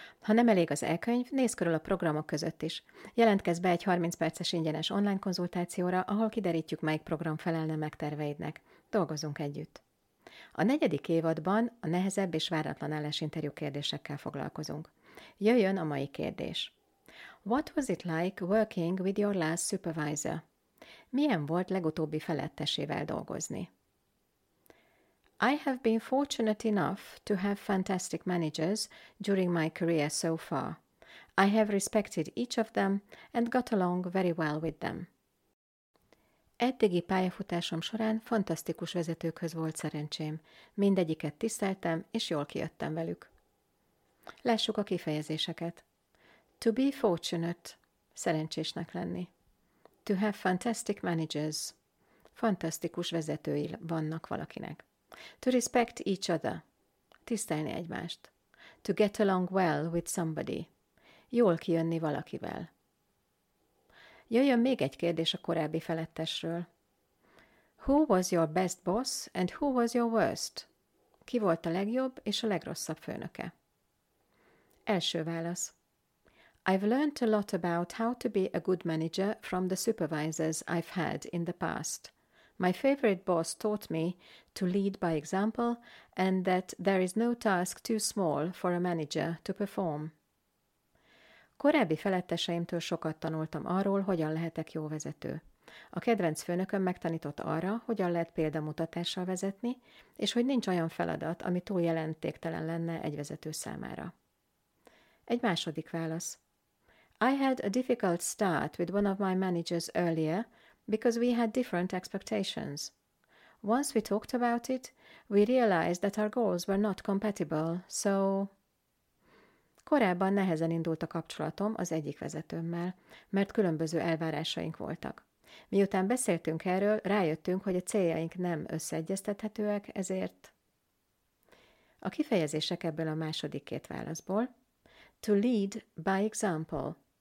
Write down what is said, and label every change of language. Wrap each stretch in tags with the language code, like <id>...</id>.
<hu>Ha nem elég az e-könyv, nézz körül a programok között is. Jelentkezz be egy 30 perces ingyenes online konzultációra, ahol kiderítjük, melyik program felelne meg terveidnek. Dolgozunk együtt! A negyedik évadban a nehezebb és váratlan állásinterjú kérdésekkel foglalkozunk. Jöjjön a mai kérdés.</hu> <en>What was it like working with your last supervisor?</en> <hu>Milyen volt legutóbbi felettesével dolgozni?</hu> <en>I have been fortunate enough to have fantastic managers during my career so far. I have respected each of them and got along very well with them.</en> <hu>Eddigi pályafutásom során fantasztikus vezetőkhöz volt szerencsém. Mindegyiket tiszteltem, és jól kijöttem velük. Lássuk a kifejezéseket.</hu> <en>To be fortunate.</en> <hu>Szerencsésnek lenni.</hu> <en>To have fantastic managers.</en> <hu>Fantasztikus vezetői vannak valakinek.</hu> <en>To respect each other.</en> <hu>Tisztelni egymást.</hu> <en>To get along well with somebody.</en> <hu>Jól kijönni valakivel. Jöjjön még egy kérdés a korábbi felettesről.</hu> <en>Who was your best boss and who was your worst?</en> <hu>Ki volt a legjobb és a legrosszabb főnöke? Első válasz.</hu> <en>I've learned a lot about how to be a good manager from the supervisors I've had in the past. My favorite boss taught me to lead by example and that there is no task too small for a manager to perform.</en> <hu>Korábbi feletteseimtől sokat tanultam arról, hogyan lehetek jó vezető. A kedvenc főnököm megtanított arra, hogyan lehet példamutatással vezetni, és hogy nincs olyan feladat, ami túl jelentéktelen lenne egy vezető számára. Egy második válasz.</hu> <en>I had a difficult start with one of my managers earlier, because we had different expectations. Once we talked about it, we realized that our goals were not compatible, so...</en> <hu>Korábban nehezen indult a kapcsolatom az egyik vezetőmmel, mert különböző elvárásaink voltak. Miután beszéltünk erről, rájöttünk, hogy a céljaink nem összeegyeztethetőek, ezért... A kifejezések ebből a második két válaszból.</hu> <en>To lead by example.</en>